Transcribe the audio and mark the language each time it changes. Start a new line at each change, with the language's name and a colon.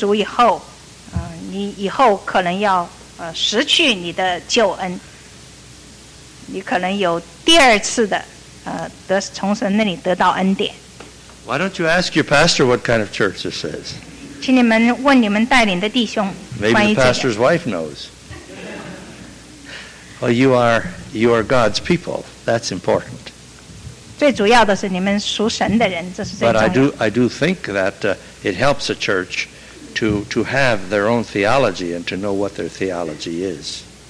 Chinese: Wesley的宗派他就是相信你信了主以后，你以后可能要 失去你的救恩，你可能有第二次的，得从神那里得到恩典。
English: Why don't you ask your pastor what kind of church this is?
Chinese: 请你们问你们带领的弟兄。
English: Maybe the pastor's wife knows. Well, you are God's people. That's important.
Chinese: 最主要的是你们属神的人，这是最重要的。
English: But I do think that it helps a church. To have their own theology and to know what their theology is.